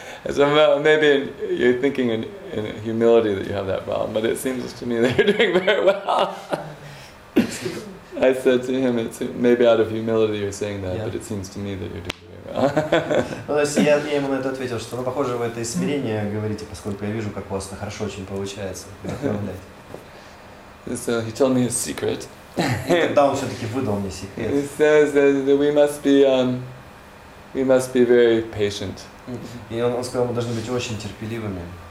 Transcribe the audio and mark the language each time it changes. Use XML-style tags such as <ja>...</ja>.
<en>So maybe you're thinking in humility that you have that problem, but it seems to me that you're doing very well. I said to him, it's maybe out of humility you're saying that, yeah. But it seems to me that you're doing very well.</en> <ru>Ну, то есть я ему на это ответил, что, ну, похоже, вы это из смирения говорите, поскольку я вижу, как у вас это хорошо очень получается.</ru> <en>So he told me his secret.</en> <ru>Тогда он все-таки выдал мне секрет.</ru> <en>He says that we must be very patient.</en> <ru>И он сказал, мы должны быть очень терпеливыми.</ru>